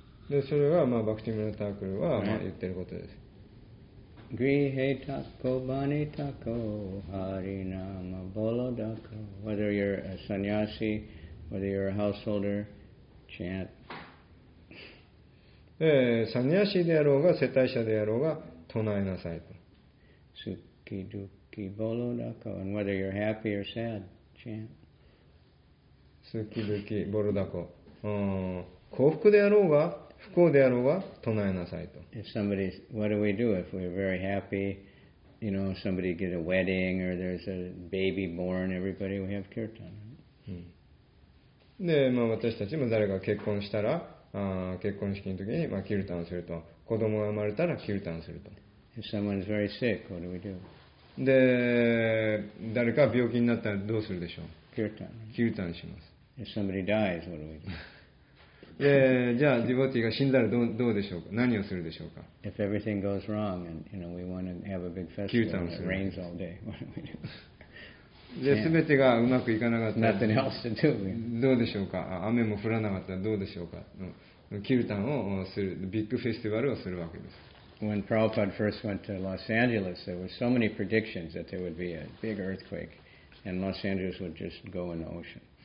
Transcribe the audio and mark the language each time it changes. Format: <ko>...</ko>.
<ja>でそれは、まあ、バクティムラタークルは、まあ、言ってることです。</ja> <bn>グリヘタコバニタコハリナマボロダコ</bn> <en>Whether you're a sannyasi, whether you're a householder, chant.</en> <ja>サニヤシであろうが、世帯者であろうが、唱えなさいと。</ja> <bn>スキドキボロダコ</bn> <en>And whether you're happy or sad, chant.</en> <bn>スキドキボロダコ</bn> <ja>幸福であろうが、不幸であろうが唱えなさいと。</ja> <en>If somebody, what do we do if we're very happy? You know, somebody get a wedding or there's a baby born. Everybody, we have kirtan.、うん、</en> <ja>で、まあ私たちも誰か結婚したら、結婚式の時にまあキルタンすると。子供が生まれたらキルタンすると。</ja> <en>If someone's very sick, what do we do?</en> <ja>で、誰か病気になったらどうするでしょう。</ja> <en>Kirtan.</en> <ja>キルタンします。</ja> <en>If somebody dies, what do we do?</en> <ja>でじゃあディボティが死んだらどうでしょうか何をするでしょうか</ja> <en>If everything goes wrong and you know, we want to have a big festival and it rains all day, what do we do?</en> <ja>で全てがうまくいかなかった</ja> <en>ら Nothing else to do.</en> <ja>どうでしょうか雨も降らなかったらどうでしょうかキルタンをするビッグフェスティバルをするわけです</ja> <en>When Prabhupada first went to Los Angeles, there were so many predictions that there would be a big earthquake and Los Angeles would just go in the ocean.</en>